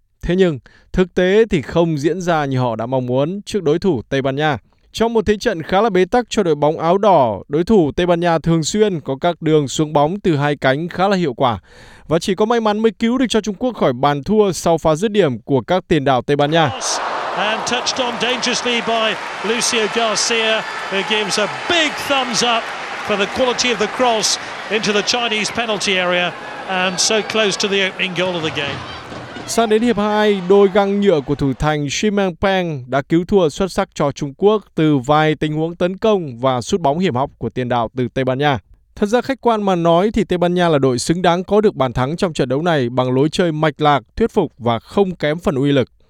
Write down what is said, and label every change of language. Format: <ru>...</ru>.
<vi>Thế nhưng, thực tế thì không diễn ra như họ đã mong muốn trước đối thủ Tây Ban Nha. Trong một thế trận khá là bế tắc cho đội bóng áo đỏ, đối thủ Tây Ban Nha thường xuyên có các đường xuống bóng từ hai cánh khá là hiệu quả và chỉ có may mắn mới cứu được cho Trung Quốc khỏi bàn thua sau pha dứt điểm của các tiền đạo Tây Ban Nha.</vi> <en>And touched on dangerously by Lucio Garcia, who gives a big thumbs up for the quality of the cross into the Chinese penalty area and so close to the opening goal of the game.</en> <vi>Sang đến hiệp 2, đôi găng nhựa của thủ thành Shimeng Peng đã cứu thua xuất sắc cho Trung Quốc từ vài tình huống tấn công và sút bóng hiểm hóc của tiền đạo từ Tây Ban Nha. Thật ra khách quan mà nói thì Tây Ban Nha là đội xứng đáng có được bàn thắng trong trận đấu này bằng lối chơi mạch lạc, thuyết phục và không kém phần uy lực.</vi>